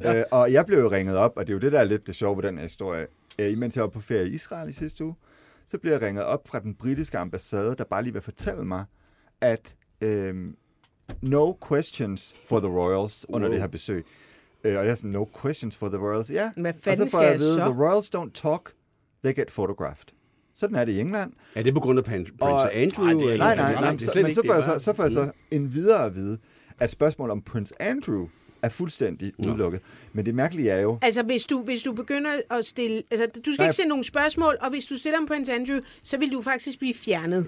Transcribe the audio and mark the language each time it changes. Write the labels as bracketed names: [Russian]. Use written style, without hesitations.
[Danish] Og jeg blev jo ringet op, og det er jo det, der er lidt det sjove ved den her historie. Imens jeg var på ferie i Israel i sidste uge, så blev jeg ringet op fra den britiske ambassade, der bare lige vil fortælle mig, at [English] no questions for the royals [Danish] under det her besøg. Og jeg har sådan, [English] no questions for the royals. [Danish] Ja, [English] yeah. [Danish] Og så får jeg vide, [English] the royals don't talk, they get photographed. [Danish] Sådan er det i England. Er det på grund af Prince Andrew? Nej, så får jeg en videre at vide, at spørgsmålet om Prince Andrew er fuldstændig udelukket. Men det mærkelige er jo... Altså, hvis du begynder at stille... Altså, du skal ikke sende nogen spørgsmål, og hvis du stiller om Prince Andrew, så vil du faktisk blive fjernet.